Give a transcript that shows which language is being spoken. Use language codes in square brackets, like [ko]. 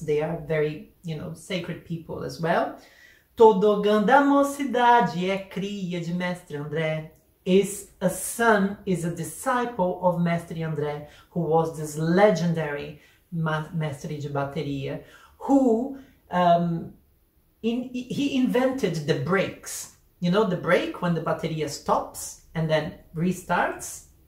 [en] They are very, you know, sacred people as well. [pt] Todo Ogan da Mocidade é cria de Mestre André. [en] Is a son, is a disciple of Mestre André, who was this legendary Mestre de Bateria, who he invented the breaks. You know, the break when the bateria stops and then restarts?